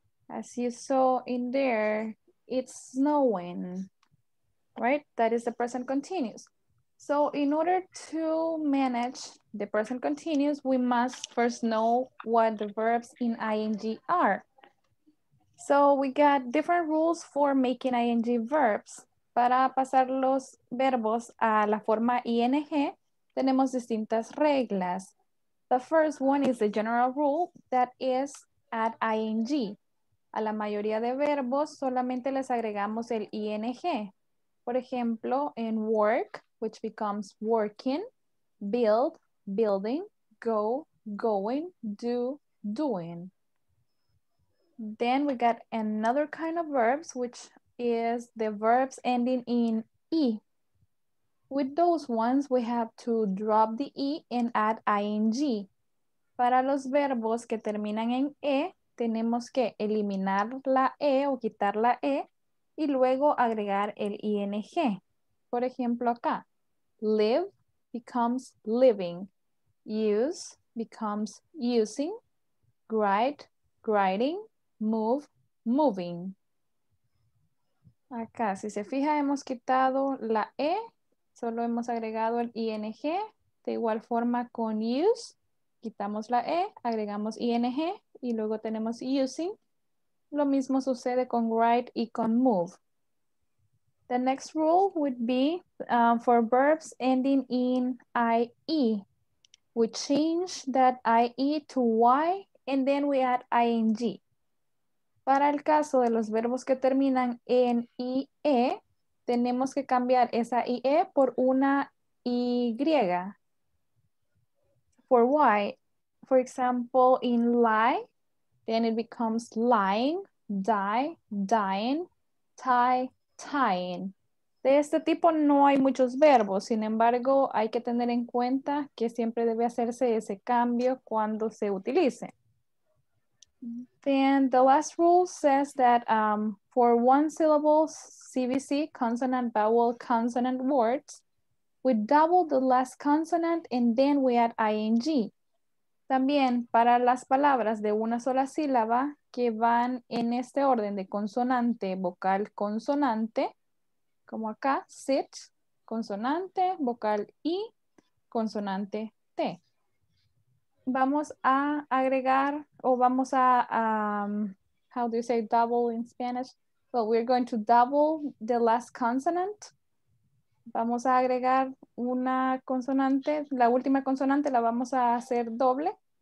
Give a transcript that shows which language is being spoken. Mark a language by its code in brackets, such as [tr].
[en] As you saw in there, it's snowing, right? That is the present continuous. So in order to manage the present continuous, we must first know what the verbs in ing are. So we got different rules for making ing verbs. [es] Para pasar los verbos a la forma ing, tenemos distintas reglas. [en] The first one is the general rule, that is add ing. [es] A la mayoría de verbos solamente les agregamos el ing. [en] For example, in work, which becomes working, build, building, go, going, do, doing. Then we got another kind of verbs, which is the verbs ending in E. With those ones, we have to drop the E and add ing. [es] Para los verbos que terminan en E, tenemos que eliminar la E o quitar la E y luego agregar el ing. Por ejemplo, acá, [en] live becomes living, use becomes using, write, writing, move, moving. [es] Acá, si se fija, hemos quitado la E, solo hemos agregado el ING. De igual forma con use, quitamos la E, agregamos ING y luego tenemos using. Lo mismo sucede con write y con move. [en] The next rule would be for verbs ending in IE. We change that IE to Y and then we add ING. [es] Para el caso de los verbos que terminan en IE, tenemos que cambiar esa IE por una Y. [en] For Y, for example, in lie, then it becomes lying, die, dying, tie, tying. [es] De este tipo no hay muchos verbos, sin embargo, hay que tener en cuenta que siempre debe hacerse ese cambio cuando se utilice. [en] Then the last rule says that for one syllable CVC, consonant, vowel, consonant words, we double the last consonant and then we add ing. [es] También para las palabras de una sola sílaba que van en este orden de consonante, vocal, consonante, como acá, sit, consonante, vocal I, consonante T. Vamos a agregar, o vamos a, [en] how do you say double in Spanish? Well, we're going to double the last consonant. [es] Vamos a agregar una consonante, la última consonante la vamos a hacer doble.